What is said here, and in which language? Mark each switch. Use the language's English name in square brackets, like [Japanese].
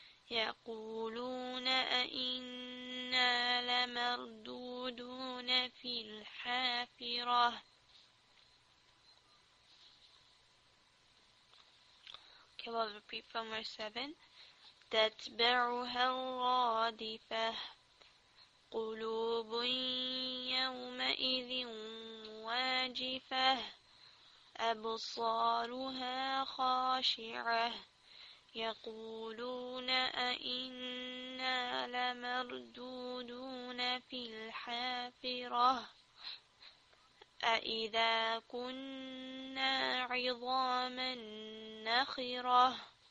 [Arabic] يقولون أئنا لمردودون في الحافرة. [English] Okay, I'll repeat from verse 7. [Arabic] تتبعها الرادفة قلوب يومئذ واجفة أبصارها خاشعة يقولون أئنا لمردودون في الحافرة أإذا كنا عظاما نخرة